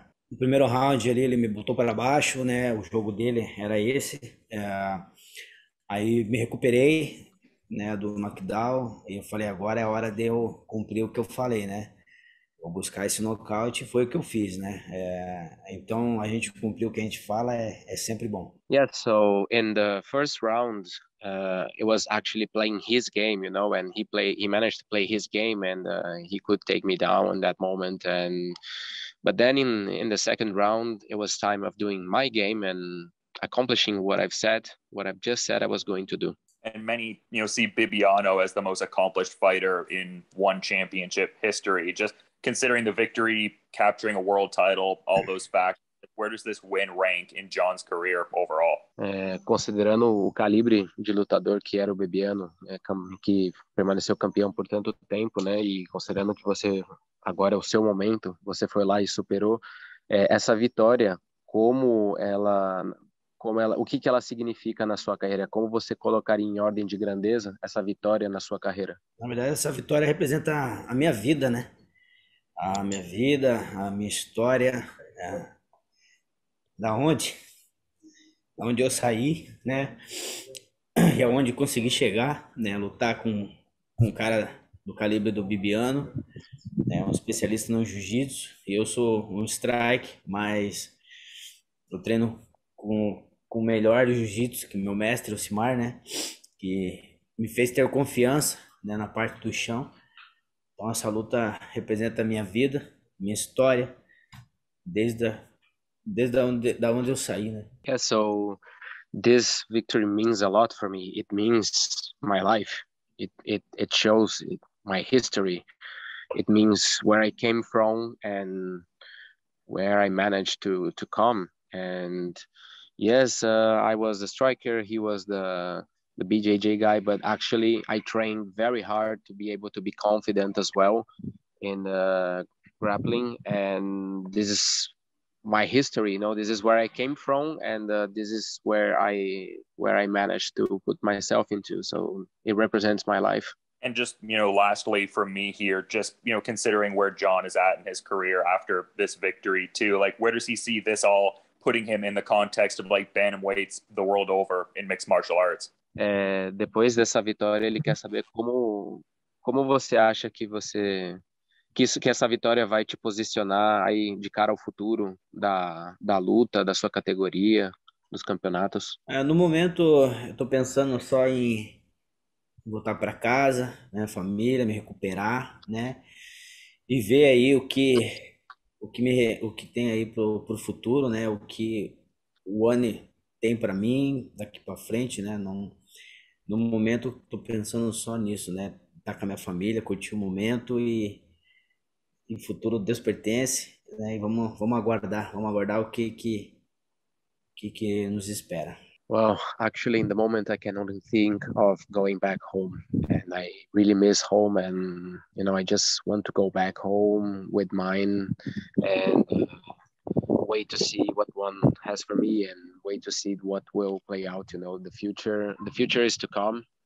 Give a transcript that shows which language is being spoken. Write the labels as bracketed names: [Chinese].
[Portuguese] No primeiro round ali, ele me botou para baixo, né? O jogo dele era esse. Aí me recuperei, né, do knockdown, e eu falei, agora é a hora de eu cumprir o que eu falei, né? Vou buscar esse nocaute, foi o que eu fiz, né? Então, a gente cumprir o que a gente fala é sempre bom. [English] Yeah, so in the first round, it was actually playing his game, you know, and he managed to play his game, and he could take me down in that moment. But then in the second round, it was time of doing my game and accomplishing what I've just said I was going to do. And many, you know, see Bibiano as the most accomplished fighter in ONE Championship history. Just considering the victory, capturing a world title, all those facts, where does this win rank in John's career overall? [Portuguese] Considerando o calibre de lutador que era o Bibiano, que permaneceu campeão por tanto tempo, né, e considerando que você agora é o seu momento, você foi lá e superou essa vitória, o que ela significa na sua carreira? Como você colocaria em ordem de grandeza essa vitória na sua carreira? Na verdade, essa vitória representa a minha vida, né? A minha vida, a minha história. Da onde eu saí, né? E aonde consegui chegar, né? Lutar com um cara do calibre do Bibiano, né? Um especialista no jiu-jitsu. E eu sou um strike, mas eu treino com o melhor do jiu-jitsu, que meu mestre, o Simar, né, que me fez ter confiança, né, na parte do chão. Então, essa luta representa a minha vida, minha história, desde onde eu saí, né. [English] Yeah, so this victory means a lot for me. It means my life. It shows my history. It means where I came from and where I managed to come. And yes, I was a striker, he was the BJJ guy, but actually I trained very hard to be able to be confident as well in grappling, and this is my history, you know, this is where I came from, and this is where I managed to put myself into, so it represents my life. And just, you know, lastly for me here, just, you know, considering where John is at in his career after this victory too, like, where does he see this all putting him in the context of like bantamweights the world over in mixed martial arts? [Portuguese] Depois dessa vitória, ele quer saber como você acha que você que isso que essa vitória vai te posicionar aí de cara ao futuro da luta, da sua categoria, dos campeonatos. No momento eu tô pensando só em voltar para casa, né, família, me recuperar, né? E ver aí o que tem aí pro futuro, né? O que o ONE tem para mim daqui para frente, né? No momento tô pensando só nisso, né? Tá com a minha família, curtir o momento e futuro Deus pertence, né? E vamos aguardar o que nos espera. [English] Well, actually in the moment I can only think of going back home, and I really miss home, and you know, I just want to go back home with mine and wait to see what ONE has for me and wait to see what will play out, you know, the future is to come.